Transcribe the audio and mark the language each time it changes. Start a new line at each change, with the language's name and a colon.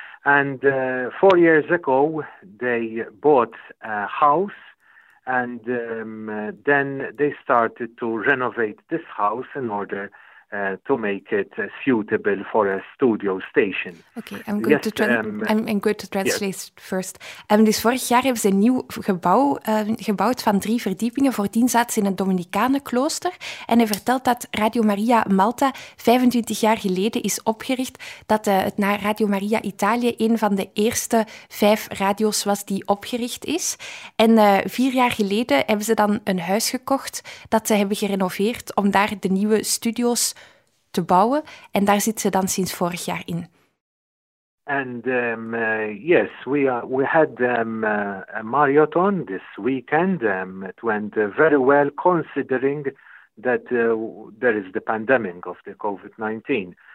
English: And 4 years ago, they bought a house and then they started to renovate this house in order to make it suitable for a studio station. Okay, I'm going to translate first.
Dutch: Dus vorig jaar hebben ze een nieuw gebouw gebouwd van 3 verdiepingen. Voordien zaten ze in een Dominicane klooster. En hij vertelt dat Radio Maria Malta 25 jaar geleden is opgericht, dat het na Radio Maria Italië een van de eerste 5 radio's was die opgericht is. En 4 jaar geleden hebben ze dan een huis gekocht dat ze hebben gerenoveerd om daar de nieuwe studio's te bouwen, en daar zit ze dan sinds vorig jaar in.
English: And yes, we had a marathon this weekend. It went very well, considering that there is the pandemic of the COVID-19.